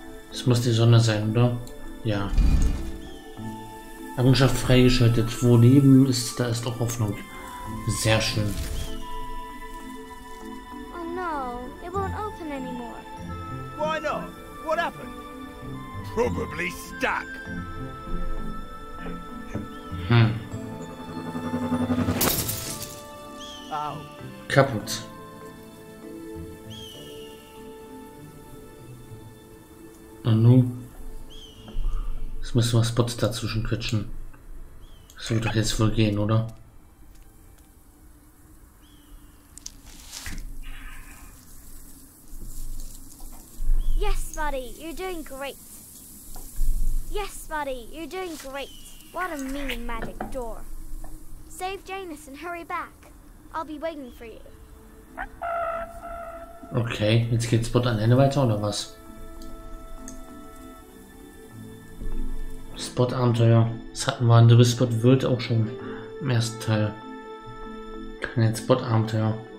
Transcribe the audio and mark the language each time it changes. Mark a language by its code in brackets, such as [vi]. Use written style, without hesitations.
[de] Es muss die Sonne sein, oder? Ja. Eigenschaft freigeschaltet. Wo Leben ist, da ist auch Hoffnung. Sehr schön. [en] Oh no, it won't open anymore. Why not? What happened? Probably stuck. [de] Kaputt. Und nun, jetzt müssen wir Spots dazwischen quetschen. Das wird doch jetzt wohl gehen, oder? [en] Yes, buddy, you're doing great. Yes, buddy, you're doing great. What a mean magic door. Save Janus and hurry back. I'll be waiting for you. [de] Okay, jetzt geht Spot an Ende weiter, oder was? Spot-Abenteuer. Das hatten wir in The Whispered World auch schon im ersten Teil. Kein Spot-Abenteuer.